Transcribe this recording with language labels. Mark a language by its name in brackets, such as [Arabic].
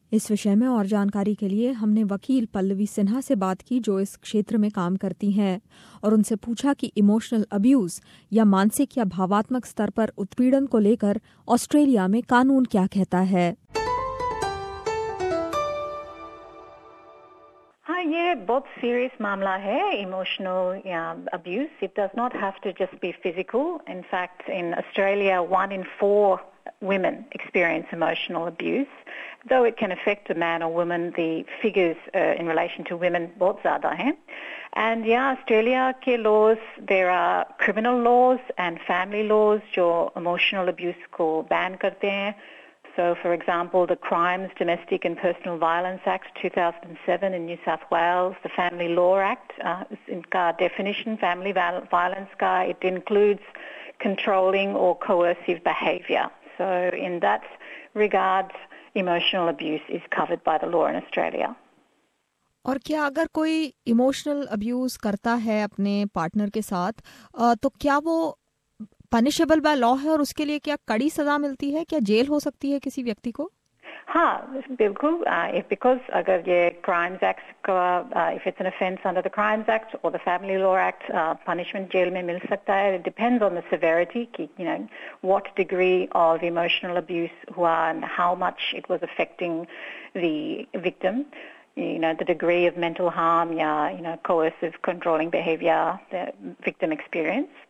[Hindi] इस विषय में और जानकारी के लिए हमने वकील पल्लवी सिन्हा से बात की, जो इस क्षेत्र में काम करती हैं, और उनसे पूछा कि इमोशनल अब्यूज या मानसिक या भावात्मक स्तर पर उत्पीड़न को लेकर ऑस्ट्रेलिया में कानून क्या कहता है। हाँ, ये बहुत सीरियस मामला है, इमोशनल या abuse. [English] It does not have to just be physical. In fact in Australia 1 in 4 women experience emotional abuse. Though it can affect a man or woman, the figures in relation to women [Hindi] बहुत ज़्यादा हैं. [English] And yeah, Australia के laws, there are criminal laws and family laws [Hindi] जो emotional abuse को ban करते हैं. [English] So for example, the Crimes, Domestic and Personal Violence Act 2007 in New South Wales, the Family Law Act, इनका definition family violence का, it includes controlling or coercive behavior. So in that regard, emotional abuse is covered by the law in Australia. [Hindi] और क्या अगर कोई emotional abuse करता है अपने partner के साथ, तो क्या वो पनिशेबल बाय लॉ है और उसके लिए क्या कड़ी सजा मिलती है, क्या जेल हो सकती है किसी व्यक्ति को? हाँ, बिल्कुल। बिकॉज अगर ये क्राइम्स एक्ट का, [English] if it's an offence under the crimes act और the family law act, [Hindi] punishment jail में मिल सकता है। [English] It depends on the severity कि you know what degree of emotional abuse हुआ and how much it was affecting the victim, you know the degree of mental harm या you know coercive controlling behaviour the victim experience.